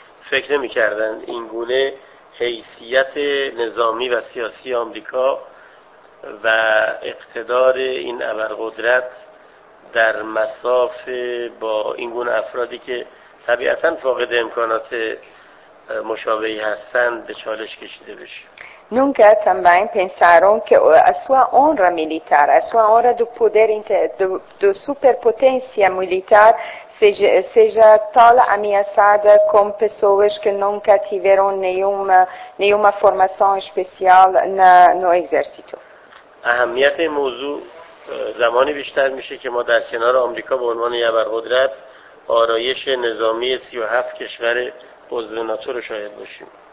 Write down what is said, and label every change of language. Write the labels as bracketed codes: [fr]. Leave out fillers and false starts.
[fa] فکر نمی‌کردن اینگونه حیثیت نظامی و سیاسی آمریکا و اقتدار این ابرقدرت در مساف با این گونه افرادی که طبیعتاً فاقد امکانات مشابهی هستند به چالش کشیده بشه. [pt] Nunca também pensaram que a sua honra militar, a sua honra do poder do superpotência militar seja tal ameaçada com pessoas que nunca tiveram nenhuma formação especial no exército. [fa] A اهمیت موضوع زمانی بیشتر میشه که ما در کنار آمریکا به عنوان یک ابرقدرت آرایش نظامی 37 کشور عضو ناتو رو شاهد باشیم.